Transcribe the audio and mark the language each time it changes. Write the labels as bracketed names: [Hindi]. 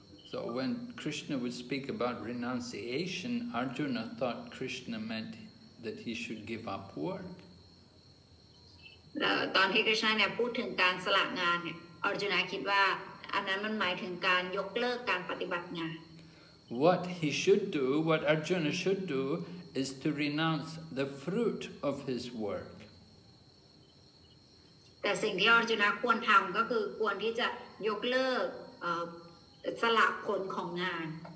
[English] So when Krishna would speak about renunciation, Arjuna thought Krishna meant that he should give up work. [Thai] ตอนที่ Krishna เนี่ยพูดถึงการสละงานเนี่ย Arjuna คิดว่าอันนั้นมันหมายถึงการยกเลิกการปฏิบัติงาน [English] What he should do, what Arjuna should do, is to renounce the fruit of his work. [Thai] แต่สิ่งที่อร์จุนะควรทำก็คือควรที่จะยกเลิกสละผลของงาน